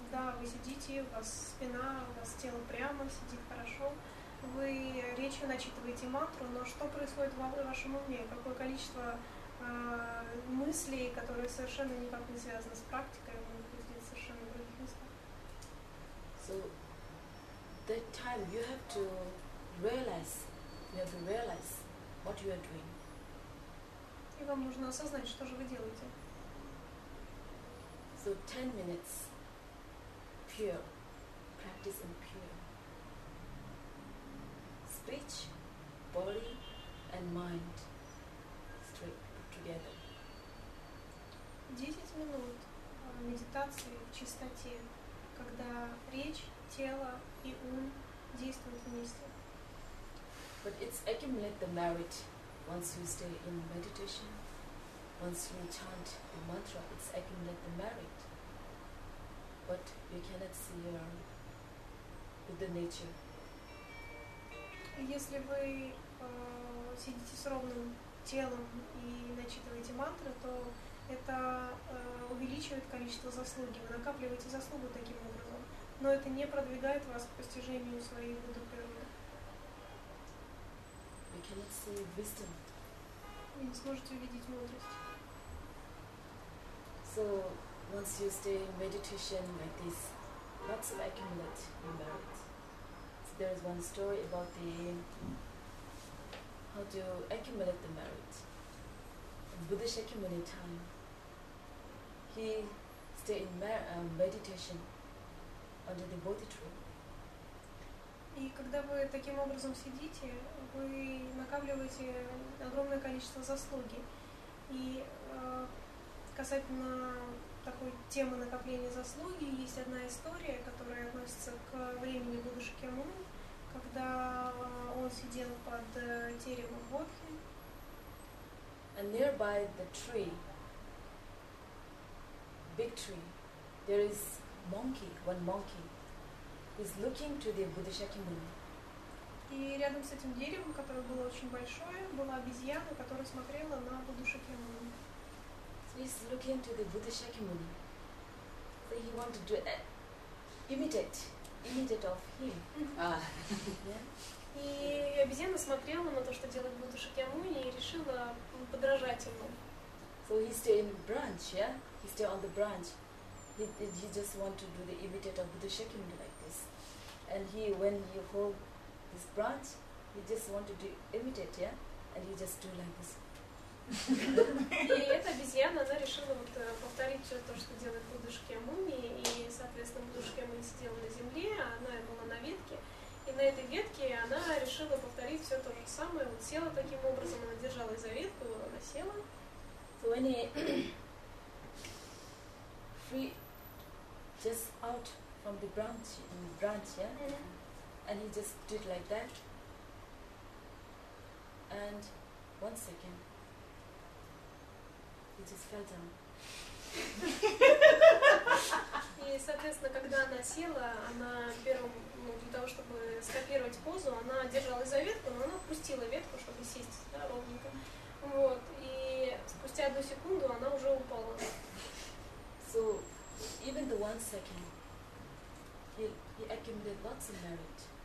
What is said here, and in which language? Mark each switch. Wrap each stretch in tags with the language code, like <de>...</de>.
<ru>Да, вы сидите, у вас спина, у вас тело прямо, сидит хорошо. Вы речью начитываете мантру, но что происходит в вашем уме? Какое количество мыслей, которые совершенно никак не связаны с практикой, могут быть совершенно в других местах?</ru> <en>So, that time you have to realize what you are doing.</en> <ru>И вам нужно осознать, что же вы делаете.</ru> <en>So, 10 minutes pure, practice and pure. Speech, body, and mind straight together.</en> <ru>10 минут медитации в чистоте, когда речь, тело и ум действуют вместе.</ru> <en>But it's accumulate the merit once you stay in meditation, once you chant the mantra, it's accumulate the merit. But you cannot see your Buddha nature.</en> <ru>Если вы сидите с ровным телом и начитываете мантры, то это увеличивает количество заслуги. Вы накапливаете заслугу таким образом. Но это не продвигает вас к постижению своей Будды природы.</ru> <en>You cannot see wisdom.</en> <ru>Вы не сможете увидеть мудрость.</ru> <en>So, once you stay in meditation like this, lots of accumulate in merit. There is one story about the how to accumulate the merit. Buddha Shakyamuni time, he stayed in meditation under the Bodhi tree.</en> <ru>И когда вы таким образом сидите, вы накапливаете огромное количество заслуги. И касательно такой темы накопления заслуги есть одна история, которая относится к времени Будды Шакьямуни. Когда он сидел под деревом Бодхи.</ru> <en>And nearby the tree, big tree, there is one monkey. He's looking to the Buddha Shakyamuni.</en> <ru>И рядом с этим деревом, которое было очень большое, была обезьяна, которая смотрела на Будду Шакьямуни.</ru> <en>So he's looking to the Buddha Shakyamuni. So he wanted to imitate of him.</en> <ru>И обезьяна смотрела на то, что делает Будда Шакьямуни, и решила подражать ему.</ru> <en>So he stay in branch, yeah? He stay on the branch. He just want to do the imitator of Buddha Shakyamuni like this. And he, when he hold this branch, he just want to do imitate, yeah? And he just do like this.</en> <ru>И эта обезьяна, она решила вот повторить все то, что делает Будда Шакьямуни, и, соответственно, Будда Шакьямуни сидела на земле, а она была на ветке, и на этой ветке она решила повторить все то же самое, вот села таким образом, она держалась за ветку, она села.</ru> <en>So when he free just out from the branch, yeah? And he just did like that. And one second. He just fell down.</en> <ru>И, соответственно, когда она села, она первым, ну, для того, чтобы скопировать позу, она держалась за ветку, но она отпустила ветку, чтобы сесть, да, ровненько. Вот. И спустя одну секунду она уже упала.</ru> <en>So even the one second, he accumulated lots of merit.</en>